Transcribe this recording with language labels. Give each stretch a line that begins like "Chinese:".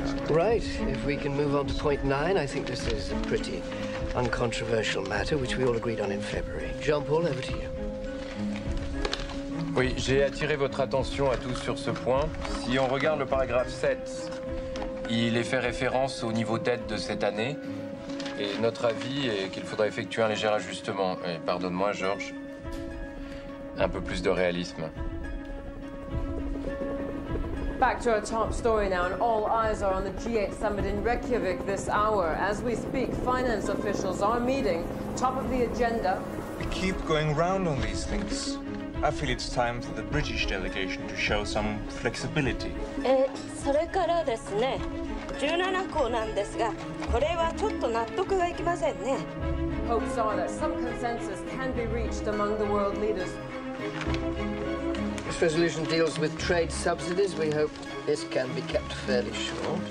English: Right, if we can move on to point nine, I think this is a pretty uncontroversial matter, which we all agreed on in February. Jean-Paul, over to you.
French: Oui, j'ai attiré votre attention à tous sur ce point. Si on regarde le paragraphe 7, il est fait référence au niveau dette de cette année. Et notre avis est qu'il faudrait effectuer un léger ajustement. Et pardonne-moi, Georges, un peu plus de réalisme.
English: Back to our top story now, and all eyes are on the G8 summit in Reykjavik this hour. As we speak, finance officials are meeting, top of the agenda. We keep going round on these things. I feel it's time for the British delegation to show some flexibility.
Japanese: それからですね、17項なんですが、これはちょっと納得がいきませんね。
English: Hopes are that some consensus can be reached among the world leaders. This resolution deals with trade subsidies. We hope this can be kept fairly short.